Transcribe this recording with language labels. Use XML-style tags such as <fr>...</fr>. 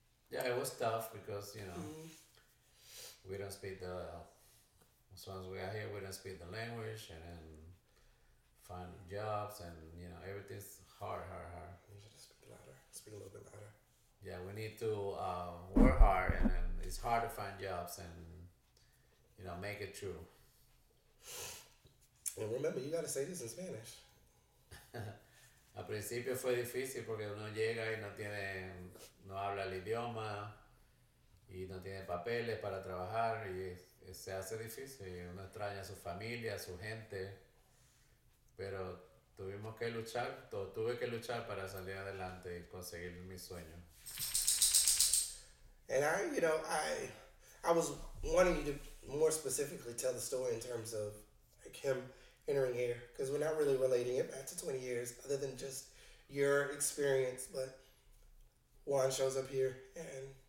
<en>Yeah, it was tough because, we don't speak as soon as we are here, we don't speak the language, and then find jobs, and everything's hard. You should just speak louder. Speak a little bit louder. Yeah, we need to work hard, and it's hard to find jobs and make it true. And remember, you gotta say this in Spanish.</en> <es>Al principio fue difícil porque uno llega y no habla el idioma y no tiene papeles para trabajar y se hace difícil. Uno extraña a su familia, a su gente, pero tuvimos tuvimos que luchar, tuve que luchar para salir adelante y conseguir mi sueño.</es> <en>And I was wanting you to more specifically tell the story in terms of like him entering here, because we're not really relating it back to 20 years other than just your experience, but Juan shows up here and...</en>